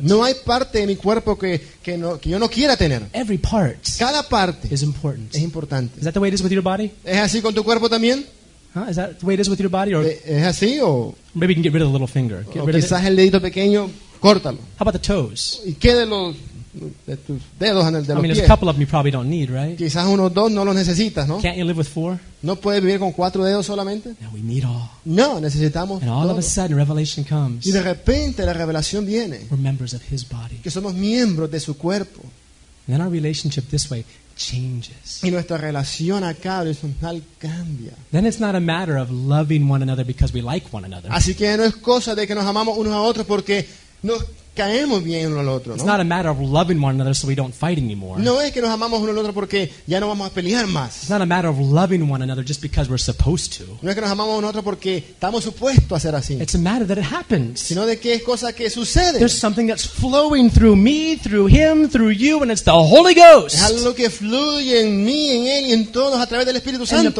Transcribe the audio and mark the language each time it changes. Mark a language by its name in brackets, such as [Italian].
[Spanish] No hay parte de mi cuerpo que yo no quiera tener. [English] Every part. [Spanish] Cada parte [English] is important. [Spanish] Es importante. [English] Is that the way it is with your body? [Spanish] ¿Es así con tu cuerpo también? [English] Huh? Is that the way it is with your body? Or [Spanish] ¿Es así, o? [English] Maybe you can get rid of the little finger. Get rid [Spanish] quizás [English] of [Spanish] el dedito pequeño, córtalo. [English] How about the toes? [Spanish] ¿Y qué de tus dedos en el de [English] I [Spanish] los [English] mean, [Spanish] pies? [English] There's a couple of them you probably don't need, right? [Spanish] Quizás unos dos no los necesitas, ¿no? [English] Can't you live with four? [Spanish] ¿No puedes vivir con cuatro dedos solamente? [English] No, we need all. [Spanish] No, necesitamos [English] And all [Spanish] todo. [English] Of a sudden, revelation comes. [Spanish] Y de repente la revelación viene. [English] We're members of his body. [Spanish] Que somos miembros de su cuerpo. [English] And then our relationship this way changes. [Spanish] Y nuestra relación acá horizontal cambia. [English] Then it's not a matter of loving one another because we like one another. [Spanish] Así que no es cosa de que nos amamos unos a otros porque nos caemos bien uno al otro, ¿no? [English] It's not a matter of loving one another so we don't fight anymore. [Spanish] No es que nos amamos uno al otro porque ya no vamos a pelear más. [English] It's not a matter of loving one another just because we're supposed to. [Spanish] No es que nos amamos uno al otro porque estamos supuestos a hacer así. [English] It's a matter that it happens. [Spanish] Sino de que es cosa que sucede. [English] There's something that's flowing through me, through him, through you, and it's the Holy Ghost. [Spanish] Es algo que fluye en mí, en él y en todos a través del Espíritu Santo.